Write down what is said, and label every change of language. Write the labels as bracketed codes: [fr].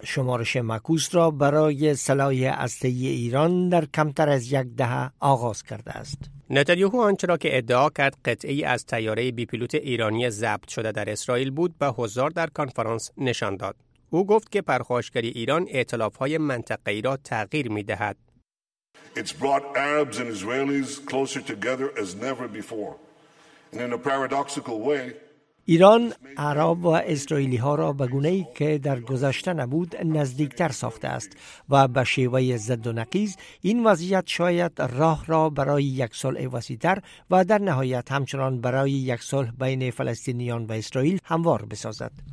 [fa] شمارش معکوس را برای سلاح هسته‌ای ایران در کمتر از یک دهه آغاز کرده است. نتانیاهو آنچرا که ادعا کرد قطعه ای از تیاره بی پیلوت ایرانی ضبط شده در اسرائیل بود به حضار در کنفرانس نشان داد. او گفت که پرخاشگری ایران ائتلاف های منطقه‌ای را تغییر می دهد. [en] It's brought Arabs and Israelis closer together as never before. And in a paradoxical way, [fa] ایران عرب و اسرائیلی ها را به گونه ای که در گذشته نبود نزدیکتر ساخته است و به شیوه زد و نقیز این وضعیت شاید راه را برای یک صلح وسیع‌تر و در نهایت همچنان برای یک صلح بین فلسطینیان و اسرائیل هموار بسازد.